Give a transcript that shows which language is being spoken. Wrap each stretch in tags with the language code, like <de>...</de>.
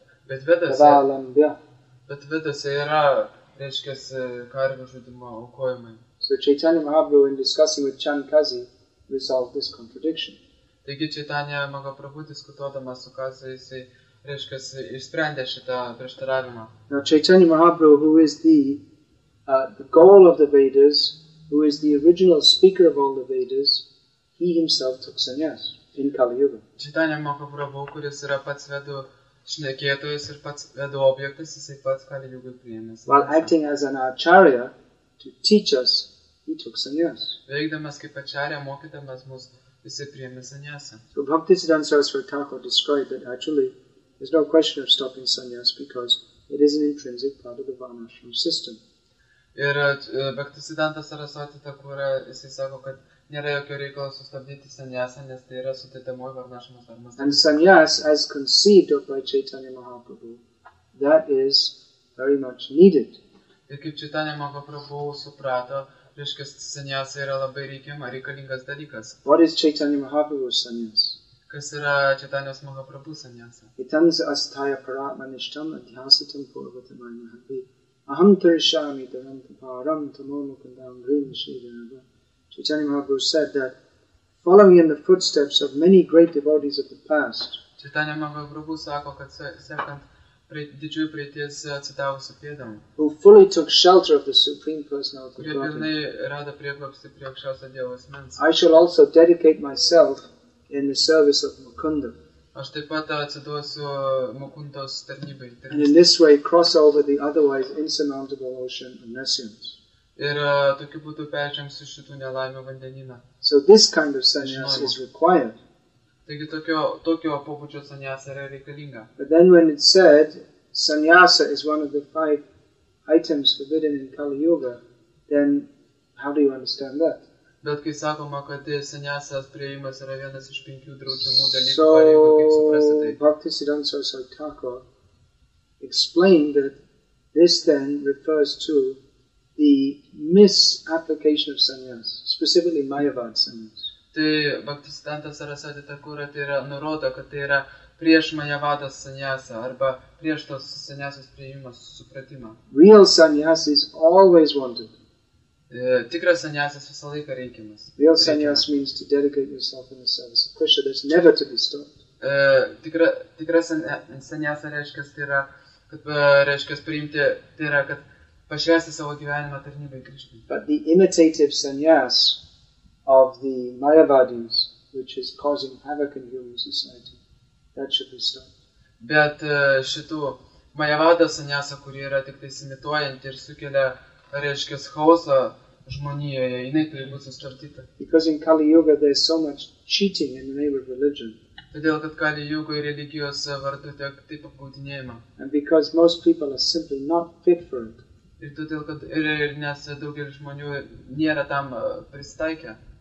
<lt>Bet Vedose, yra, reiškia, karvių žudimo aukojimai.</lt> <en>So Chaitanya Mahaprabhu, in discussing with Chankazi, resolved this contradiction.</en> <lt>Taigi Chaitanya Mahaprabhu, diskutuodamas su Kazi, jis, reiškia, išsprendė šitą prieštaravimą.</lt> <en>Now Chaitanya Mahaprabhu, who is the goal of the Vedas, who is the original speaker of all the Vedas, he himself took sannyas in Kali Yuga.</en> <lt>Chaitanya Mahaprabhu, kuris yra pats vedų šnekėtojas ir pats vedų objektas, jisai pats Kali Yuga priėmė.</lt> <en>While acting as an acharya to teach us, he took sannyas.</en> <lt>Veikdamas kaip acharya, mokydamas mus, jisai priėmė sannyasą.</lt> <en>So Bhaktisiddhanta Saraswati Thakur described that actually there's no question of stopping sannyas because it is an intrinsic part of the Varnashram system.</en> <lt>Ir Bhaktisiddhanta Saraswati Thakur, jisai sako, kad nėra jokio reikalo sustabdyti sannyasą, nes tai yra sutitamoji varnašamas darmas.</lt> <en>And sannyas, as conceived of by Chaitanya Mahaprabhu, that is very much needed.</en> <lt>Ir kaip Chaitanya Mahaprabhu suprato, reiškia, sannyasa yra labai reikiama, reikalingas dalykas.</lt> <en>What is Chaitanya Mahaprabhu's sannyas?</en> <lt>Kas yra Chaitanya Mahaprabhu sannyasa?</lt> <sa>Itams asthaya paratmanishtam adhyasitam purvatamayamahabhi. Aham tarishami dharantaparam tamomukandam rin shidharava.</sa> <en>Chaitanya Mahaprabhu said that following in the footsteps of many great devotees of the past,</en> <lt>Chaitanya Mahaprabhu sako, kad sekant didžiųjų praeities atsidavusių pėdom,</lt> <en>who fully took shelter of the Supreme Personality of Godhead,</en> <lt>kurie pilnai rado prieglobstį prie aukščiausio Dievo asmens,</lt> <en>I shall also dedicate myself in the service of Mukunda.</en> <lt>Aš taip pat atsiduosiu Mukundos tarnybai.</lt> <en>And in this way cross over the otherwise insurmountable ocean of nescience.</en> <lt>Ir tokiu būdu peržengsiu šitų nelaimių vandenyną.</lt> <en>So this kind of sannyas is required.</en> <lt>Taigi tokio pobūdžio sannyas yra reikalinga.</lt> <en>But then when it said sannyasa is one of the five items forbidden in Kali Yuga, then how do you understand that?</en> <lt>Bet kai sakoma, kad sannyasas priėjimas yra vienas iš penkių draudžiamų dalykų, so, kaip suprasti tai?</lt> <en>So Bhaktisiddhanta Saraswati Thakur explained that this then refers to the misapplication of sannyas, specifically Mayavad sannyas.</en> <lt>Tai Bhaktisiddhanta Saraswati Thakur tai yra nurodo, kad tai yra prieš Mayavada sannyasą arba prieš tos sannyasos priėmimo supratimą.</lt> <en>Real sannyas is always wanted.</en> <lt>Tikras sannyasas visą laiką reikimas.</lt> <en>Real sannyas means to dedicate yourself in the service of Krishna. That's never to be stopped.</en> <lt>Tikras sannyasa reiškia, tai yra, kad reiškia priimti, tai yra, kad pašvęsti savo gyvenimą tarnybai Krishnai.</lt> <en>But the imitative sannyas of the Mayavadis, which is causing havoc in human society, that should be stopped.</en> <lt>Bet šitų Mayavada sannyasa, kuri yra tik tai imituojanti ir sukelia, reiškia, chaosą žmonijoje, jinai turi būti sustabdyta.</lt> <en>Because in Kali Yuga there is so much cheating in the name of religion.</en> <lt>Todėl, kad Kali Yuga ir religijos vardu taip apgaudinėjama.</lt> <en>And because most people are simply not fit for it.</en> <lt>Ir todėl, kad ir nes daugelis žmonių nėra tam prisitaikę.</lt>